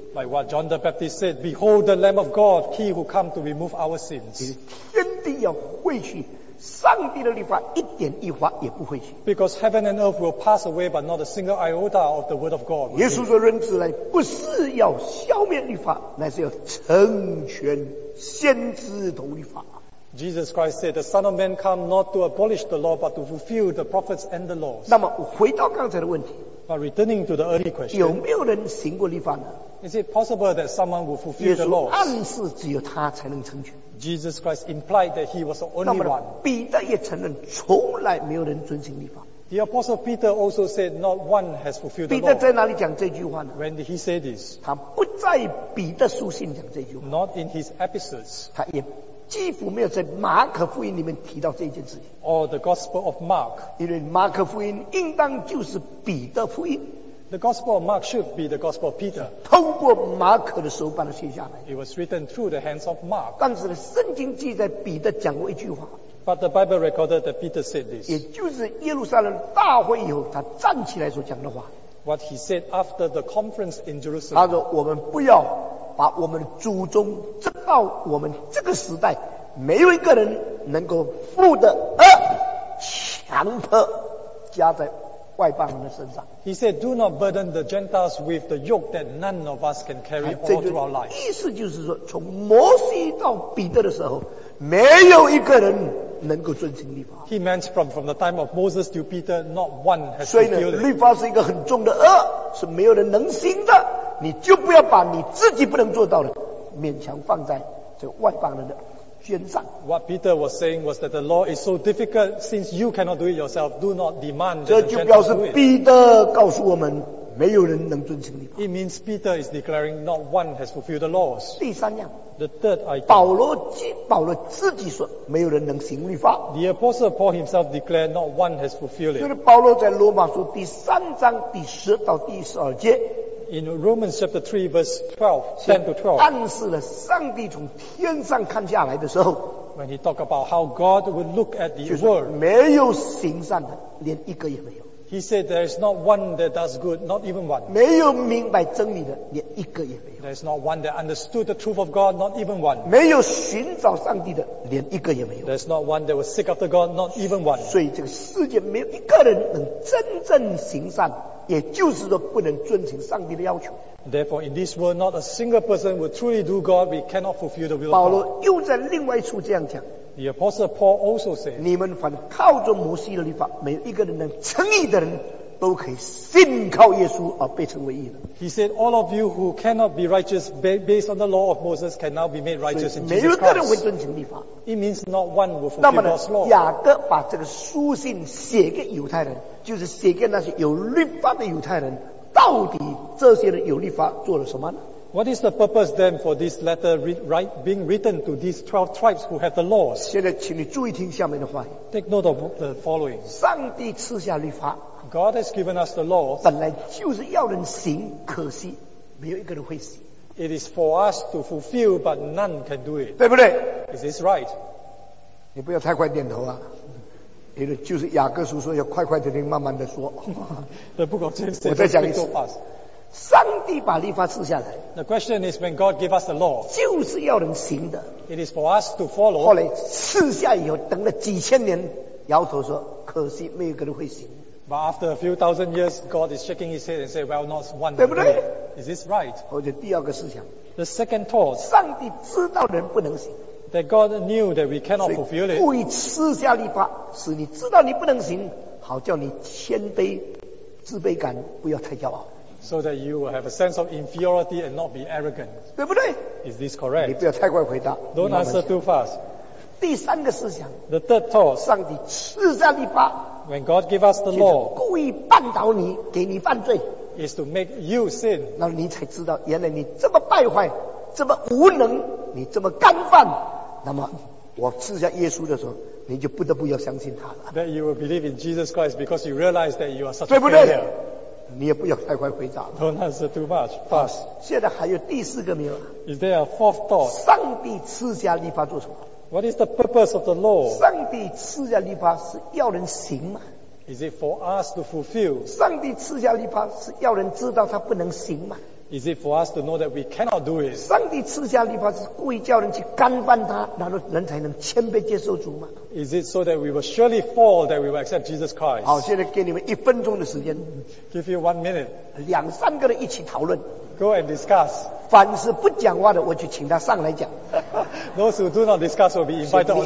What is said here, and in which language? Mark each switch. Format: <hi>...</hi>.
<en>Like what John the Baptist said, "Behold the Lamb of God, He who come to remove our sins."</en> <zh>天地要废去，上帝的律法一点一划也不废去。</zh> <en>Because heaven and earth will pass away, but not a single iota of the word of God.</en> <zh>耶稣说，人子来不是要消灭律法，乃是要成全先知同律法。</zh> <en>Jesus Christ said, "The Son of Man came not to abolish the law, but to fulfill the prophets and the laws."</en> <zh>那么回到刚才的问题，</zh> <en>But returning to the early question,</en> <zh>有没有人行过律法呢？</zh> <en>Is it possible that someone will fulfill the laws?</en> <zh>耶稣暗示只有他才能成全。</zh> <en>Jesus Christ implied that he was the only one.</en> <zh>那么彼得也承认从来没有人遵行律法。</zh> <en>The Apostle Peter also said, "Not one has fulfilled the law."</en> <zh>彼得在哪里讲这句话呢？</zh> <en>When did he say this?</en> <zh>他不在彼得书信讲这句话。</zh> <en>Not in his epistles.</en> <zh>他也几乎没有在马可福音里面提到这件事情。</zh> <en>Or the Gospel of Mark.</en> <zh>因为马可福音应当就是彼得福音。</zh> <en>The Gospel of Mark should be the Gospel of Peter.</en> <zh>通过马可的手把它写下来。</zh> <en>It was written through the hands of Mark.</en> <zh>但是呢，圣经记载彼得讲过一句话。</zh> <en>But the Bible recorded that Peter said this.</en> <zh>也就是耶路撒冷大会以后，他站起来所讲的话。</zh> <en>what he said after the conference in Jerusalem.</en> <zh>他说我们不要把我们的祖宗直到我们这个时代没有一个人能够负的恶强迫加在外邦人的身上。</zh> <en>He said, do not burden the Gentiles with the yoke that none of us can carry all through our life.</en> <zh>意思就是说从摩西到彼得的时候没有一个人能够遵行律法。</zh> <en>He meant from the time of Moses to Peter, not one has fulfilled it.</en> <zh>所以呢律法是一个很重的恶是没有人能行的你就不要把你自己不能做到的勉强放在这外邦人的肩上。</zh> <en>What Peter was saying was that the law is so difficult since you cannot do it yourself, do not demand that the Gentiles do it.</en> <zh>这就表示彼得告诉我们没有人能遵行律法。</zh> <en>It means Peter is declaring not one has fulfilled the laws.</en> <zh>第三样。</zh> <en>The third item.</en> <zh>保罗自己说没有人能行律法。</zh> <en>The apostle Paul himself declared not one has fulfilled it.</en> <zh>就是保罗在罗马书第三章第十到第十二节。</zh> <en>In Romans chapter 3 verse 10 to 12,</en> <zh>暗示了上帝从天上看下来的时候</zh> <en>when he talked about how God would look at the world,</en> <zh>没有行善的连一个也没有。</zh> <en>He said there is not one that does good, not even one.</en> <zh>没有明白真理的连一个也没有。</zh> <en>There is not one that understood the truth of God, not even one.</en> <zh>没有寻找上帝的连一个也没有。</zh> <en>There is not one that was sick after God, not even one.</en> <zh>所以这个世界没有一个人能真正行善也就是说不能遵循上帝的要求。</zh> <en>Therefore, in this world, not a single person will truly do God. We cannot fulfill the will of God.</en> <zh>保罗又在另外一处这样讲。</zh> <en>The apostle Paul also said,</en> <zh>你们凡靠着摩西的律法，没有一个人能称义的人，都可以信靠耶稣而被称为义的。</zh> <en>He said, all of you who cannot be righteous based on the law of Moses can now be made righteous in</en> <zh>Jesus Christ. 没有一个人会遵循律法。</zh> <en>It means not one will fulfill God's law.</en> <zh>雅各把这个书信写给犹太人。就是写给那些有律法的犹太人，到底这些人有律法做了什么呢？</zh> <en>What is the purpose then for this letter being written to these 12 tribes who have the laws?</en> <zh>现在请你注意听下面的话。</zh> <en>Take note of the following.</en> <zh>上帝赐下律法。</zh> <en>God has given us the law.</en> <zh>本来就是要人行，可惜没有一个人会行。</zh> <en>It is for us to fulfill, but none can do it.</en> <zh>对不对？</zh> <en>Is this right?</en> <zh>你不要太快点头啊。也就是雅各书说要快快的听慢慢的说我再讲一次上帝把律法赐下来</zh> <en>The question is when God gave us the law</en> <zh>就是要人行的</zh> <en>It is for us to follow</en> <zh>后来赐下以后等了几千年摇头说可惜没有个人会行</zh> <en>But after a few thousand years God is shaking his head and say well not one</en> <zh>对不对</zh> <en>Is this right</en> <zh>或者第二个思想</zh> <en>The second thought</en> <zh>上帝知道人不能行</zh> <en>That God knew that we cannot fulfill it.</en> <zh>故意赐下律法，使你知道你不能行，好叫你谦卑、自卑感不要太骄傲。</zh> <en>So that you will have a sense of inferiority and not be arrogant.</en> <zh>对不对？</zh> <en>Is this correct?</en> <zh>你不要太快回答。</zh> <en>Don't answer too fast.</en> <zh>第三个思想。</zh> <en>The third thought.</en> <zh>上帝赐下律法。</zh> <en>When God gave us the law.</en> <zh>故意绊倒你，给你犯罪。</zh> <en>Is to make you sin.</en> <zh>那你才知道，原来你这么败坏，这么无能，你这么干犯。那么我赐下耶稣的时候你就不得不要相信他了</zh> <en>that you will believe in Jesus Christ because you realize that you are such</en> <zh>对不对你也不要太快回答</zh> <en>don't answer too much fast</en> <zh>现在还有第四个没有</zh> <en>is there a fourth thought</en> <zh>上帝赐下律法做什么</zh> <en>what is the purpose of the law</en> <zh>上帝赐下律法是要人行吗</zh> <en>is it for us to fulfill</en> <zh>上帝赐下律法是要人知道他不能行吗</zh> <en>Is it for us to know that we cannot do it?</en> <zh>上帝赐下律法是故意叫人去干犯他，然后人才能谦卑接受主吗？</zh> <en>Is it so that we will surely fall that we will accept Jesus Christ?</en> <zh>好，现在给你们一分钟的时间。</zh> <en>Give you 1 minute.</en> <zh>两三个人一起讨论。</zh> <en>Go and discuss.</en> <zh>凡是不讲话的，我就请他上来讲。</zh> <en>Those who do not discuss will be invited on stage.</en>